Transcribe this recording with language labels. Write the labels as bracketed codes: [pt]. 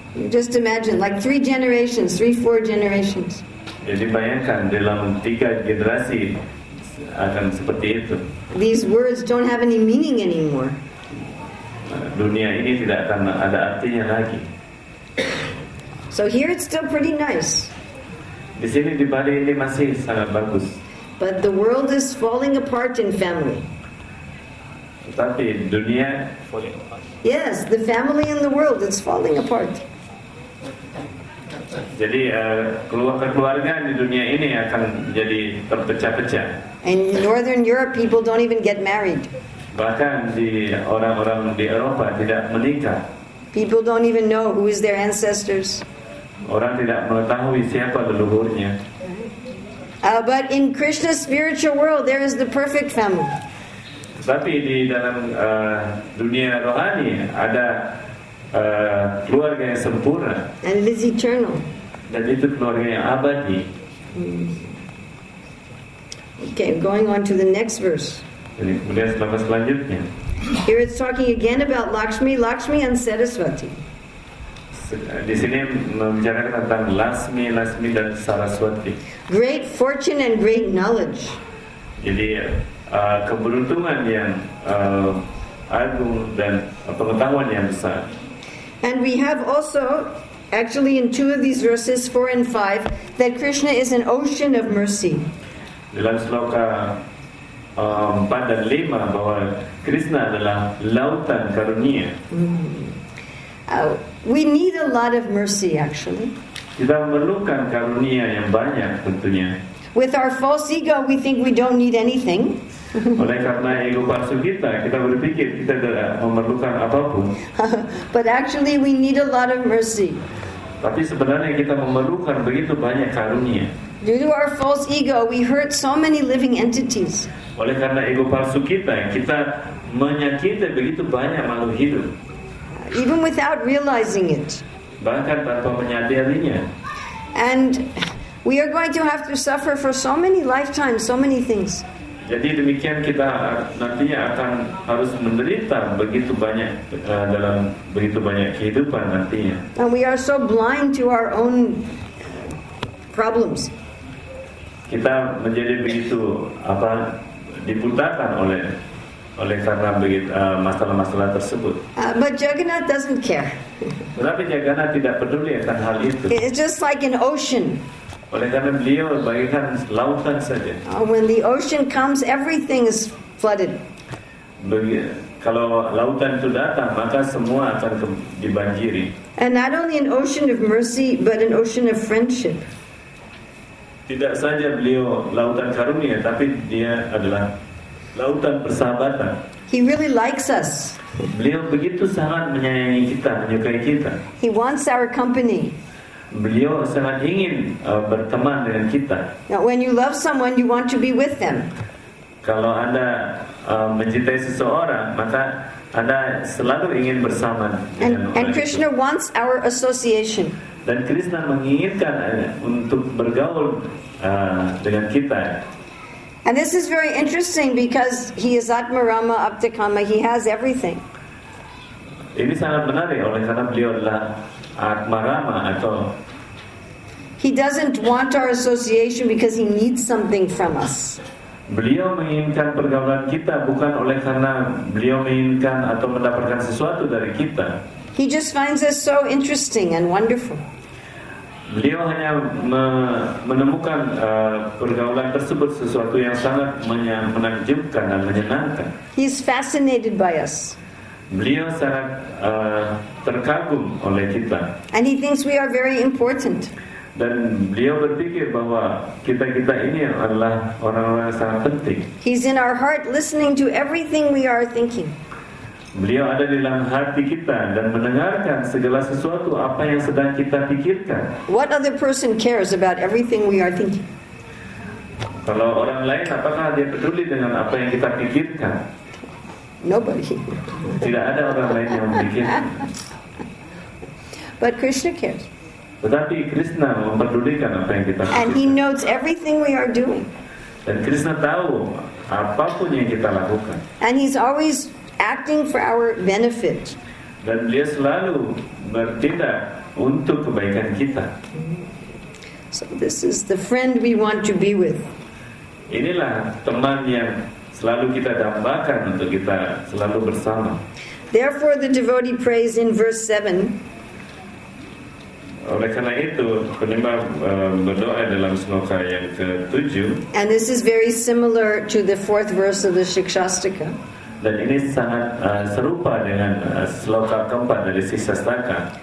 [en] Just imagine, like three generations, three, four generations. [id] Jadi bayangkan dalam tiga generasi akan seperti itu. [en] These words don't have any meaning anymore. [id] Dunia ini tidak akan ada artinya lagi. [en] So here it's still pretty nice. [id] Di sini di Bali ini masih sangat bagus. [en] But the world is falling apart in family. [id] Tapi dunia [en] falling apart. Yes, the family in the world is falling apart. [id] Jadi keluarga di dunia ini akan jadi terpecah-pecah. [en] In Northern Europe, people don't even get married. [id] Bahkan di orang-orang di Eropa tidak menikah. [en] People don't even know who is their ancestors. [id] Orang tidak mengetahui siapa leluhurnya. [en] But in Krishna's spiritual world, there is the perfect family. [id] Tapi di dalam dunia rohani ada keluarga yang sempurna. [en] And it is eternal. [id] Dan itu keluarga yang abadi. [en] Okay, going on to the next verse. [id] Jadi kemudian selama selanjutnya. [en] Here it's talking again about Lakshmi, Lakshmi and Saraswati. [id] Di sini membicarakan tentang Lakshmi, Lakshmi dan Saraswati. [en] Great fortune and great knowledge. [id] Jadi keberuntungan yang agung dan pengetahuan yang besar. [en] And we have also, actually, in two of these verses, 4 and 5, that Krishna is an ocean of mercy. [id] Dalam sloka 4 dan 5 bahwa Krishna adalah lautan karunia. [en] We need a lot of mercy, actually. [id] Kita memerlukan karunia yang banyak tentunya. [en] With our false ego, we think we don't need anything. [id] Oleh karena ego palsu kita, kita berpikir kita tidak memerlukan apapun. [en] But actually, we need a lot of mercy. [id] Tapi sebenarnya kita memerlukan begitu banyak karunia. [en] Due to our false ego, we hurt so many living entities. [id] Oleh karena ego palsu kita, kita menyakiti begitu banyak makhluk hidup. [en] Even without realizing it. [id] Bahkan tanpa menyadarinya. [en] And we are going to have to suffer for so many lifetimes, so many things. [id] Jadi demikian kita nantinya akan harus menderita begitu banyak dalam begitu banyak kehidupan nantinya. [en] And we are so blind to our own problems. [id] Kita menjadi begitu diputarkan oleh karena begitu masalah-masalah tersebut. [en] But Jagannath doesn't care. [id] Tetapi Jagannath tidak peduli akan hal itu. [en] It's just like an ocean. [id] Oleh karena beliau bagikan lautan saja. [en] When the ocean comes, everything is flooded. [id] Kalau lautan itu datang, maka semua akan dibanjiri. [en] And not only an ocean of mercy, but an ocean of friendship. [id] Tidak saja beliau lautan karunia, tapi dia adalah lautan persahabatan. [en] He really likes us. [id] Beliau begitu sangat menyayangi kita, menyukai kita. [en] He wants our company. [id] Beliau sangat ingin berteman dengan kita. [en] Now, when you love someone, you want to be with them. [id] Kalau Anda mencintai seseorang, maka Anda selalu ingin bersama dengan orang. [en] And Krishna wants our association. [id] Dan Krishna menginginkan untuk bergaul dengan kita. [en] And this is very interesting because he is Atmarama Aptikama. He has everything. [id] Ini sangat menarik oleh karena beliau adalah Atmarama atau. [en] He doesn't want our association because he needs something from us. [id] Beliau menginginkan pergaulan kita bukan oleh karena beliau menginginkan atau mendapatkan sesuatu dari kita. [en] He just finds us so interesting and wonderful. [id] Beliau hanya menemukan pergaulan tersebut sesuatu yang sangat menakjubkan dan menyenangkan. [en] He is fascinated by us. [id] Beliau sangat terkagum oleh kita. [en] And he thinks we are very important. [id] Dan beliau berpikir bahwa kita-kita ini adalah orang-orang yang sangat penting. [en] He's in our heart listening to everything we are thinking. [id] Beliau ada di dalam hati kita dan mendengarkan segala sesuatu apa yang sedang kita pikirkan. [en] What other person cares about everything we are thinking? [id] Kalau orang lain, apakah dia peduli dengan apa yang kita pikirkan? [en] Nobody. [id] Tidak ada orang lain yang memikirkan. [en] But Krishna cares. [id] Tetapi Krishna memperdulikan apa yang kita pikirkan. [en] And he knows everything we are doing. [id] Dan Krishna tahu apapun yang kita lakukan. [en] And he's always acting for our benefit. [id] Dan beliau selalu bertindak untuk kebaikan kita. [en] So this is the friend we want to be with. [id] Inilah teman yang selalu kita dambakan untuk kita selalu bersama. [en] Therefore the devotee prays in verse 7. [id] Oleh karena itu penyembah berdoa dalam sloka yang ke-7. [en] And this is very similar to the fourth verse of the Shikshastika. [id] Dan ini sangat serupa dengan sloka keempat dari Shikshastaka.